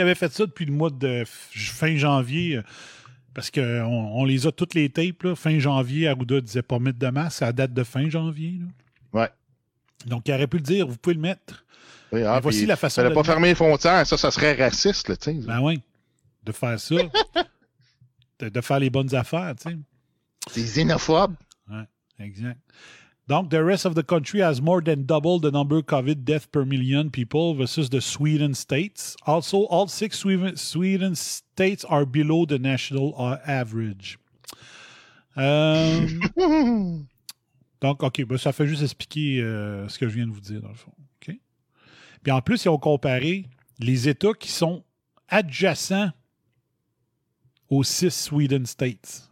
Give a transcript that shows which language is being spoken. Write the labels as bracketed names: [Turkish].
[French] S'il avait fait ça depuis le mois de fin janvier, parce qu'on les a toutes les tapes, là, fin janvier, Arruda disait pas mettre de masque, ça date de fin janvier. Là. Ouais. Donc, il aurait pu le dire, vous pouvez le mettre. Oui, ah, voici la façon. Fallait pas fermer les frontières, ça serait raciste, tu sais. Ben oui, de faire ça, de faire les bonnes affaires, tu sais. C'est xénophobe. Exact. [English] Donc, the rest of the country has more than double the number of COVID death per million people versus the Sweden states. Also, all six Sweden states are below the national average. [French] donc, OK, ben ça fait juste expliquer ce que je viens de vous dire, dans le fond. Okay? Puis en plus, ils ont comparé les États qui sont adjacents aux six Sweden states.